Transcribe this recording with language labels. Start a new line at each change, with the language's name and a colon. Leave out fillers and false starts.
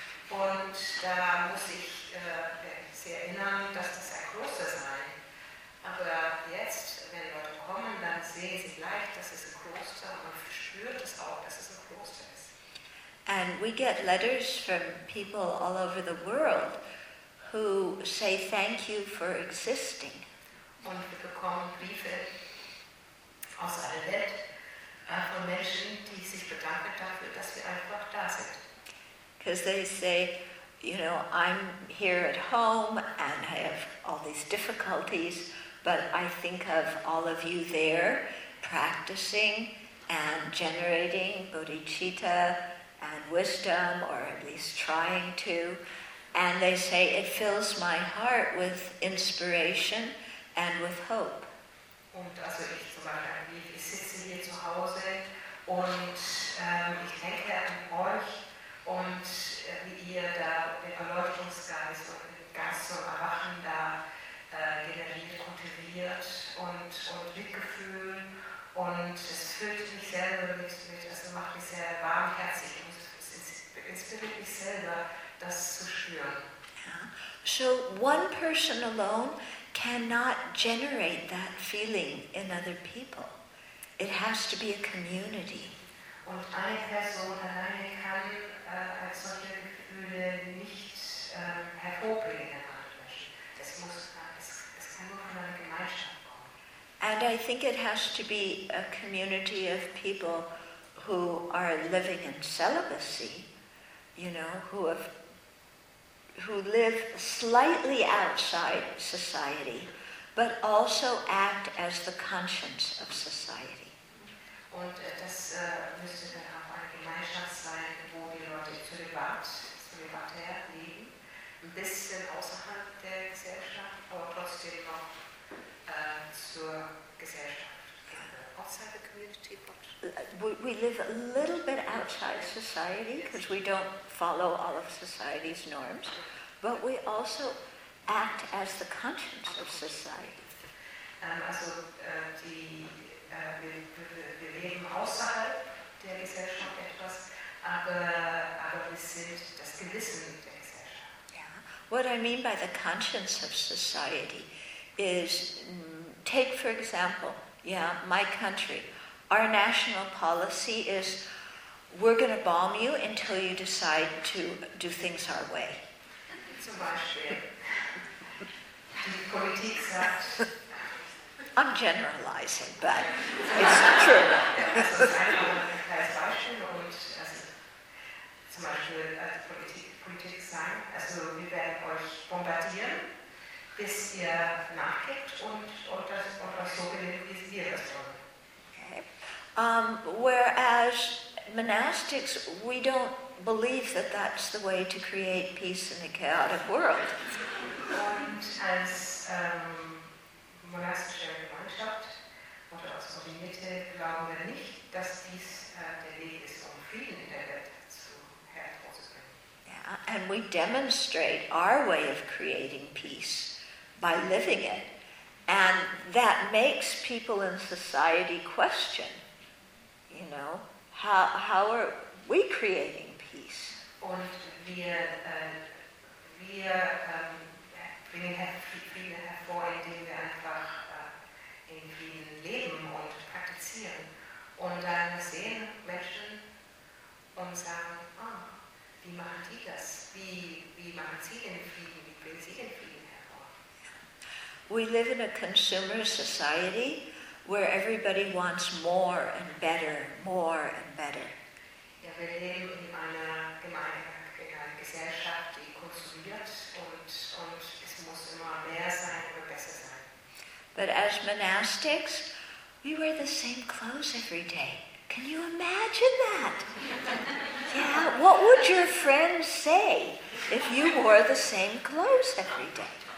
German: Und da muss ich Sie erinnern, dass das ein Kloster sei. Aber jetzt, wenn Leute kommen, dann sehen sie gleich, dass es ein Kloster ist und spürt es auch, dass es ein Kloster ist.
English: And we get letters from people all over the world who say thank you for existing.
German: Und wir bekommen Briefe aus aller Welt von Menschen, die sich bedanken dafür, dass wir einfach da sind.
English: Because they say, you know, I'm here at home and I have all these difficulties, but I think of all of you there practicing and generating bodhicitta and wisdom, or at least trying to. And they say, it fills my heart with inspiration and with hope.
German: Und also ich zum Beispiel, ich sitze hier zu Hause und ich denke an euch. Und wie ihr da den Erleuchtungsgeist und den Geist zum Erwachen da generiert, kultiviert und Mitgefühl. Und es füllt mich selber mit, also macht mich sehr warmherzig und es inspiriert mich selber, das zu spüren.
English: Yeah. So one person alone cannot generate that feeling in other people. It has to be a community.
German: Und eine Person alleine kann als solche Gefühle nicht hervorbringen. Es kann nur von einer Gemeinschaft kommen.
English: And I think it has to be a community of people who are living in celibacy, you know, who live slightly outside society, but also act as the conscience of society.
German: Und das müsste dann auch eine Gemeinschaft sein, wo die Leute zölibatär leben, ein bisschen außerhalb der Gesellschaft, aber trotzdem noch zur Gesellschaft.
English: Outside the community, but we live a little bit outside society because we don't follow all of society's norms, but we also act as the conscience of society.
German: Also wir leben außerhalb der Gesellschaft etwas, aber wir sind das Gewissen der Gesellschaft.
English: Yeah. What I mean by the conscience of society is, take for example, yeah, my country. Our national policy is, we're going to bomb you until you decide to do things our way.
German: Zum Beispiel, die Politik sagt,
English: I'm generalizing, but it's true.
German: Das ist ein kleines Beispiel. Und zum Beispiel, Politik sagt, also wir werden euch bombardieren, bis ihr nachgibt und das so gelingt, wie wir das wollen.
English: Whereas monastics, we don't believe that that's the way to create peace in a chaotic world.
German: Und als monastische Gemeinschaft oder als Kombinierte glauben wir nicht, dass dies der Weg ist, um Frieden in der Welt zu herbringen.
English: Yeah, and we demonstrate our way of creating peace by living it. And that makes people in society question, you know, how are we creating peace?
German: Und wir bringen hervor, indem wir einfach in Frieden leben und praktizieren. Und dann sehen Menschen und sagen, oh, wie machen die das? Wie machen sie den Frieden? Wie bringen sie den Frieden hervor?
English: We live in a consumer society, where everybody wants more and better, more and better.
German: Ja, wir leben in einer Gesellschaft, die konsumiert und es muss immer mehr sein und besser sein.
English: But as monastics, we wear the same clothes every day. Can you imagine that? Yeah, what would your friends say if you wore the same clothes every day?